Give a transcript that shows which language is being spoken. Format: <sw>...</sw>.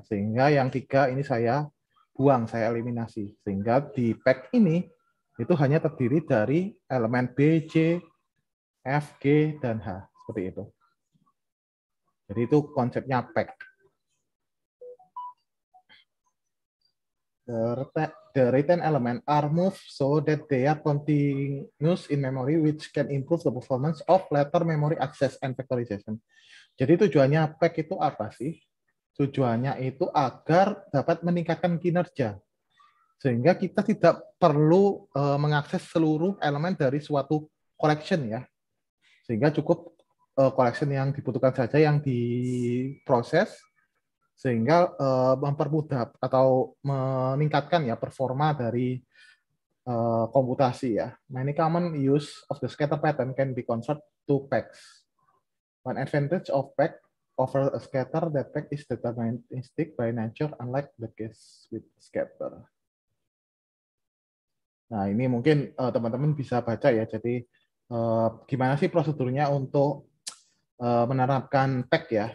<id>Sehingga yang 3 ini saya buang, saya eliminasi. Sehingga di pack ini, itu hanya terdiri dari elemen B, C, F, G, dan H. Seperti itu. Jadi itu konsepnya pack.</id> <en>The written element are moved so that they are continuous in memory which can improve the performance of later memory access and factorization.</en> <id>Jadi tujuannya pack itu apa sih? Tujuannya itu agar dapat meningkatkan kinerja. Sehingga kita tidak perlu mengakses seluruh elemen dari suatu collection ya. Sehingga cukup collection yang dibutuhkan saja yang diproses sehingga mempermudah atau meningkatkan ya performa dari komputasi ya.</id> <en>Many common use of the scatter pattern can be converted to packs. One advantage of pack over a scatter that pack is deterministic by nature unlike the case with scatter.</en> <id>Nah, ini mungkin teman-teman bisa baca ya. Jadi gimana sih prosedurnya untuk menerapkan pack ya.</id>